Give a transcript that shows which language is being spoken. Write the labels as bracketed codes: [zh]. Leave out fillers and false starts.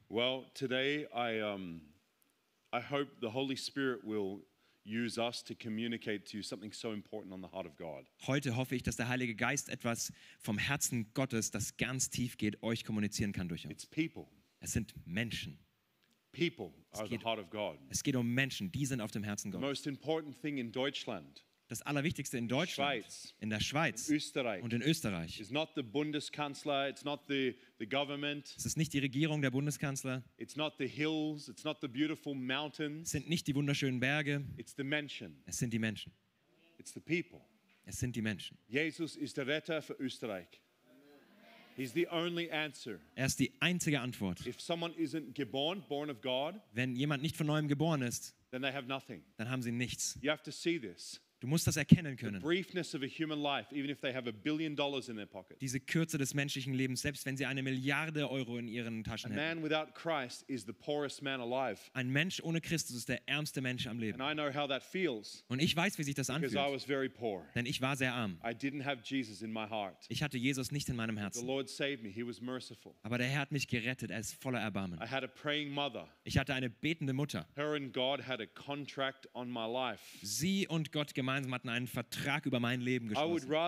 [en] Well, today I hope the Holy Spirit will use us to communicate to you something so important on the heart of God. [de] Heute hoffe ich, dass der Heilige Geist etwas vom Herzen Gottes, das ganz tief geht, euch kommunizieren kann durch uns. [en] It's people. [de] Es sind Menschen. [en] People are the heart of God. [de] Es geht um Menschen, die sind auf dem Herzen Gottes. [en] Most important thing in Deutschland. [de] Das Allerwichtigste in Deutschland, in der Schweiz und in Österreich. [en] It's not the Bundeskanzler, it's not the government. [de] Es ist nicht die Regierung, der Bundeskanzler. [en] It's not the hills, it's not the beautiful mountains. [de] Es sind nicht die wunderschönen Berge. [en] It's the Menschen. [de] Es sind die Menschen. [en] It's the people. [de] Es sind die Menschen. Jesus ist der Retter für Österreich. [en] He's the only answer. [de] Er ist die einzige Antwort. [en] If someone isn't born of God, [de] wenn jemand nicht von neuem geboren ist, [en] then they have nothing. [de] Dann haben sie nichts. [en] You have to see this. [de] Du musst das erkennen können. [en] The briefness of a human life, even if they have $1 billion in their pocket. [de] Diese Kürze des menschlichen Lebens, selbst wenn sie eine Milliarde Euro in ihren Taschen hätten. [en] A man without Christ is the poorest man alive. [de] Ein Mensch ohne Christus ist der ärmste Mensch am Leben. [en] And I know how that feels. [de] Und ich weiß, wie sich das anfühlt. [en] Because I was very poor. [de] Denn ich war sehr arm. [en] I didn't have Jesus in my heart. [de] Ich hatte Jesus nicht in meinem Herzen. [en] The Lord saved me. He was merciful. [de] Aber der Herr hat mich gerettet. Er ist voller Erbarmen. [en] I had a praying mother. [de] Ich hatte eine betende Mutter. [en] Her and God had a contract on my life. [de] Sie und Gott gemeinsam hatten einen Vertrag über mein Leben geschlossen.